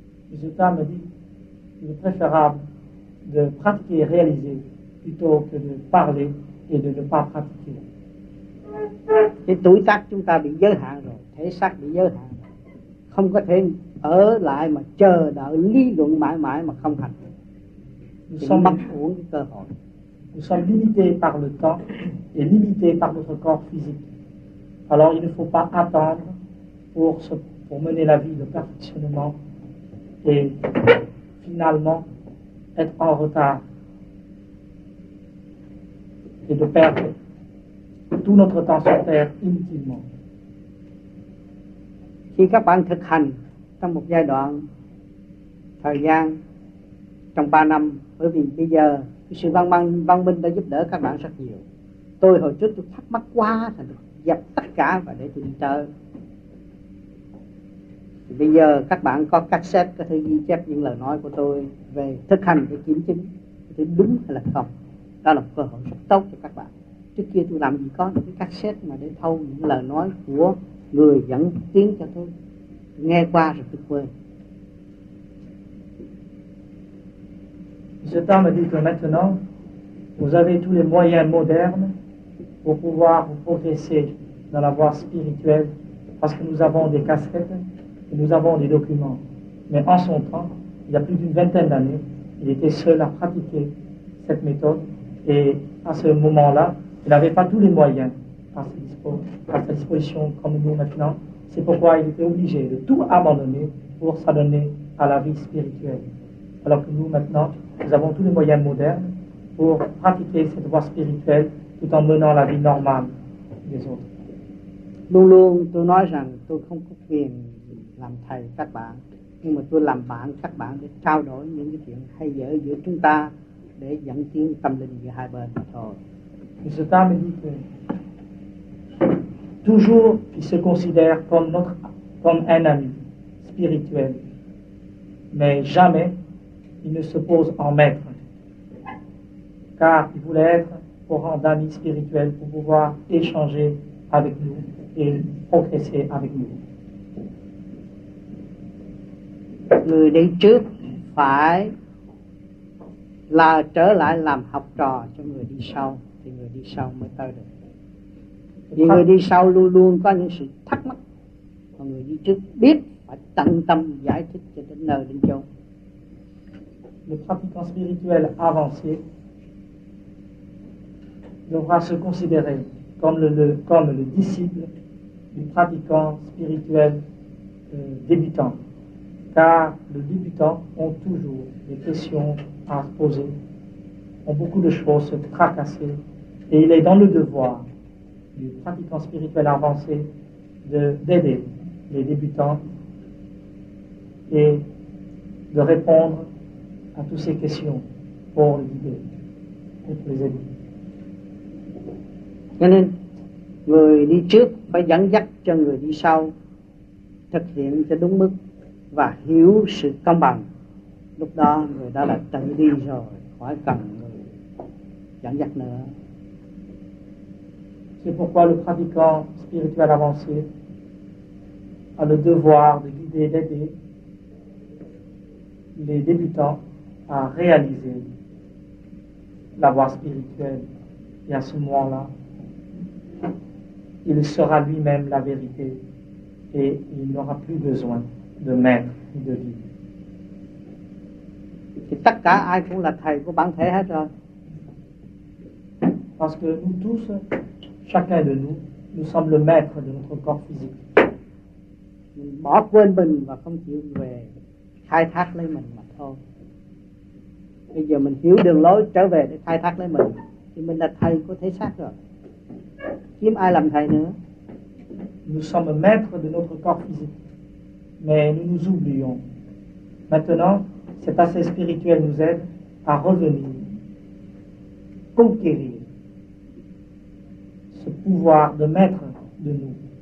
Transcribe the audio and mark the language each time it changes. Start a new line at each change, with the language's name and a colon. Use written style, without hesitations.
French: Jésus m'a dit qu'il est préférable de pratiquer et réaliser plutôt que de parler et de ne pas pratiquer.
Vietnamese: Cái tuổi tác chúng ta bị giới hạn rồi, thể xác bị giới hạn, không có thể ở lại mà chờ đợi lý luận mãi mãi mà không hành.
French: Nous sommes
Vietnamese: bắt uống cơ hội.
French: Nous sommes limités par le temps et limités par notre corps physique. Alors il ne faut pas attendre pour mener la vie de perfectionnement et finalement être en retard et de perdre tout. tout notre temps sur terre inutilement.
Vietnamese: Khi các bạn thực hành trong một giai đoạn thời gian trong 3 năm, bởi vì bây giờ sự văn minh đã giúp đỡ các bạn rất nhiều. Tôi hồi trước tôi thắc mắc quá, thành được dập tất cả và để tôi đi chơi. Bây giờ các bạn có cassette có thể ghi chép những lời nói của tôi về thực hành để kiểm chứng thì đúng hay là không. Đó là một cơ hội rất tốt cho các bạn. Trước kia tôi làm gì có những cái cassette mà để thâu những lời nói của người dẫn tiếng cho tôi. Tôi nghe qua rồi tôi quên.
French: Cet homme a dit que maintenant, vous avez tous les moyens modernes pour pouvoir vous progresser dans la voie spirituelle parce que nous avons des cassettes et nous avons des documents. Mais en son temps, il y a plus d'une vingtaine d'années, il était seul à pratiquer cette méthode et à ce moment-là, il n'avait pas tous les moyens à sa disposition comme nous maintenant. C'est pourquoi il était obligé de tout abandonner pour s'adonner à la vie spirituelle. Alors que nous maintenant, nous avons tous les moyens modernes pour pratiquer cette voie spirituelle tout en menant la vie normale des autres.
Vietnamese: Luôn luôn tôi nói rằng tôi không có quyền làm thầy các bạn, nhưng mà tôi làm bạn các bạn để trao đổi những cái chuyện hay dở giữa chúng ta để dẫn tiến tâm linh giữa hai bên thôi.
French: Monsieur Tam me dit que toujours il se considère comme notre comme un ami spirituel, mais jamais il ne se pose en maître, car il voulait être au rang d'amis spirituels pour pouvoir échanger avec nous et progresser avec nous.
Vietnamese: Người đi trước phải là trở lại làm học trò cho người đi sau, thì người đi sau mới tới được. Vì người đi sau luôn luôn có những sự thắc mắc, còn người đi trước biết phải tận tâm giải thích cho đến nơi đến chỗ.
French: Le pratiquant spirituel avancé devra se considérer comme le disciple du pratiquant spirituel débutant. Car les débutants ont toujours des questions à se poser, ont beaucoup de choses à tracasser, et il est dans le devoir du pratiquant spirituel avancé d'aider les débutants et de répondre à toutes ces questions pour les guider, pour les aider.
Vietnamese: Cho nên, người đi trước phải dẫn dắt cho người đi sau thực hiện cho đúng mức và hiểu sự công bằng. Lúc đó người đã là tự đi rồi, khỏi cần người dẫn dắt nữa.
French: C'est pourquoi le pratiquant spirituel avancé a le devoir de guider, d'aider les débutants à réaliser la voie spirituelle. Et à ce moment-là, il sera lui-même la vérité et il n'aura plus besoin de maître ou de guide.
Vietnamese: Et tất cả ai cũng là thầy của bản thể hết rồi.
French: Parce que nous tous, chacun de nous, nous sommes le maître de notre corps physique.
Vietnamese: Mình bỏ quên mình và không chịu về khai thác lấy mình mà thôi. Bây giờ mình hiểu đường lối trở về để khai thác lấy mình thì mình là thầy của thể xác rồi. Kiếm ai làm thầy nữa?
French: Nous sommes maîtres de notre corps physique, mais nous nous oublions. Maintenant, cet aspect spirituel nous aide à revenir, conquérir ce pouvoir de maître de nous.